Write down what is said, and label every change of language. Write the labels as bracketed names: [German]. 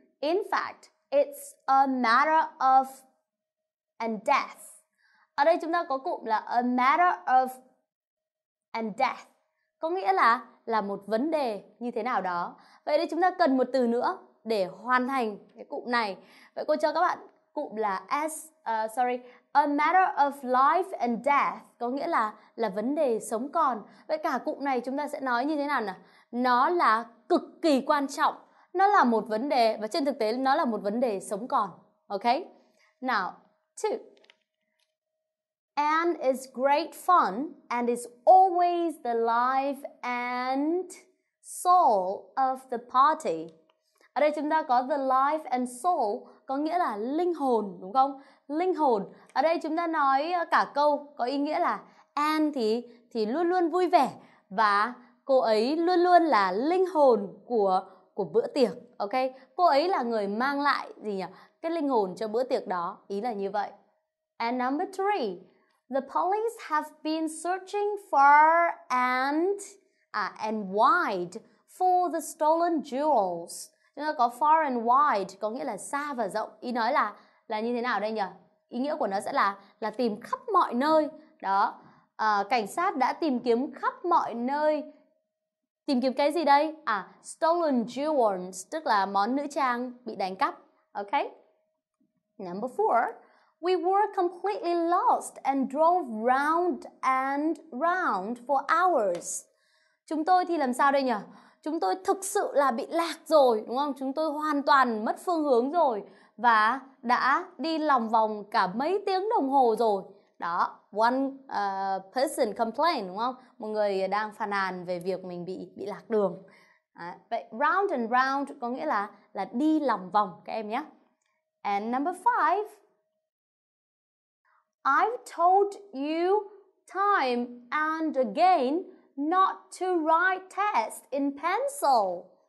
[English] In fact, it's a matter of and death. [Vietnamese] Ở đây chúng ta có cụm là [English] a matter of and death. [Vietnamese] Có nghĩa là một vấn đề như thế nào đó. Vậy thì chúng ta cần một từ nữa để hoàn thành cái cụm này. Vậy cô cho các bạn cụm là [English] a matter of life and death. [Vietnamese] Có nghĩa là vấn đề sống còn. Vậy cả cụm này chúng ta sẽ nói như thế nào nào? Nó là cực kỳ quan trọng. Nó là một vấn đề và trên thực tế nó là một vấn đề sống còn. [English] Okay? Now, two. Anne is great fun and is always the life and soul of the party. [Vietnamese] Ở đây chúng ta có [English] the life and soul [Vietnamese] có nghĩa là linh hồn, đúng không? Linh hồn. Ở đây chúng ta nói cả câu có ý nghĩa là Anne thì luôn luôn vui vẻ và cô ấy luôn luôn là linh hồn của bữa tiệc. Ok? Cô ấy là người mang lại gì nhỉ? Cái linh hồn cho bữa tiệc đó. Ý là như vậy. [English] And number three. The police have been searching far and wide for the stolen jewels. [Vietnamese] Chúng ta có [English] far and wide [Vietnamese] có nghĩa là xa và rộng. Ý nói là như thế nào đây nhỉ? Ý nghĩa của nó sẽ là tìm khắp mọi nơi. Đó. Cảnh sát đã tìm kiếm khắp mọi nơi. Tìm kiếm cái gì đây? À, [English] stolen jewels, [Vietnamese] tức là món nữ trang bị đánh cắp. [English] Okay? Number four. We were completely lost and drove round and round for hours. [Vietnamese] Chúng tôi thì làm sao đây nhỉ? Chúng tôi thực sự là bị lạc rồi, đúng không? Chúng tôi hoàn toàn mất phương hướng rồi và đã đi lòng vòng cả mấy tiếng đồng hồ rồi. Đó, [English] one person complained, [Vietnamese] đúng không? Một người đang phàn nàn về việc mình bị lạc đường. Đó. Vậy [English] round and round [Vietnamese] có nghĩa là đi lòng vòng các em nhé. [English] And number 5, I've told you time and again not to write tests in pencil.